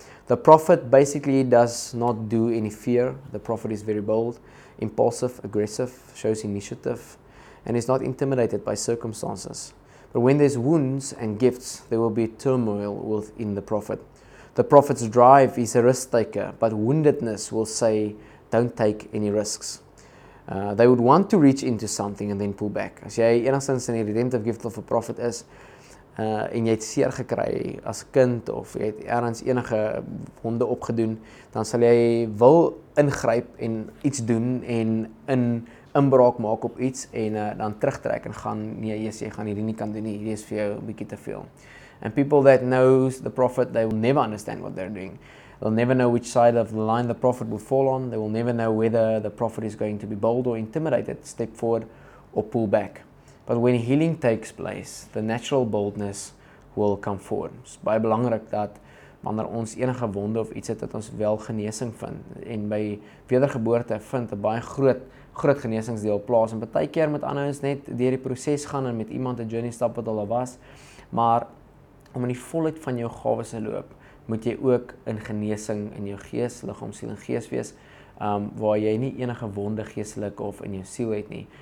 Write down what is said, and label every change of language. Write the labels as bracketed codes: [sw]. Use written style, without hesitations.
[en] The prophet basically does not do any fear. The prophet is very bold, impulsive, aggressive, shows initiative, and is not intimidated by circumstances. But when there's wounds and gifts, there will be turmoil within the prophet. The prophet's drive is a risk taker, but woundedness will say, don't take any risks. They would want to reach into something and then pull back. [af] As jy enigszins in die redemptive gift of a prophet is, en jy het seer gekry as kind, of jy het ergens enige wonde opgedoen, dan sal jy wil ingryp en iets doen en inbraak maak op iets en dan terugtrek en gaan, jy gaan hierdie nie kan doen nie, hierdie is vir jou een bietjie te veel. [en] And people that knows the prophet, they will never understand what they're doing. They'll never know which side of the line the prophet will fall on. They will never know whether the prophet is going to be bold or intimidated, step forward or pull back. But when healing takes place, the natural boldness will come forward. [af] It's baie belangrik dat wanneer ons enige wonde of iets het, dat ons wel genesing vind. En by wedergeboorte vind 'n baie groot genesingsdeel plaas. En baie keer met ander ons net deur die proses gaan en met iemand 'n journey stap wat al was. Maar om in die volheid van jou gawes te loop, moet jy ook in genesing in jou gees, liggaam, siel en gees wees, waar jy nie enige wonde geestelik of in jou siel het nie.